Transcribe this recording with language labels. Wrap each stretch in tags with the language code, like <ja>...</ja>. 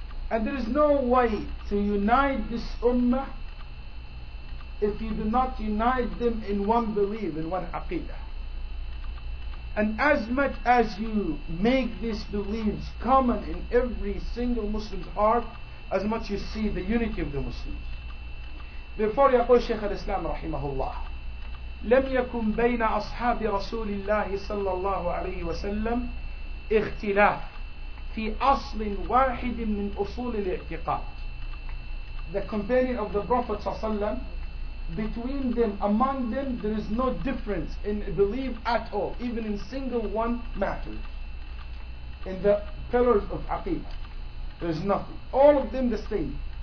<en>And there is no way to unite this ummah if you do not unite them in one belief, in one aqidah. And as much as you make these beliefs common in every single Muslim's heart, as much you see the unity of the Muslims.</en> <ar>Therefore, يقول شيخ الإسلام رحمه الله لم يكن بين أصحاب رسول الله صلى الله عليه وسلم اختلاف في أصل واحد من أصول الاعتقاد.</ar> <en>The companion of the Prophet ﷺ, between them, among them, there is no difference in belief at all, even in single one matter. In the pillars of aqeedah, there is nothing. All of them the same.</en>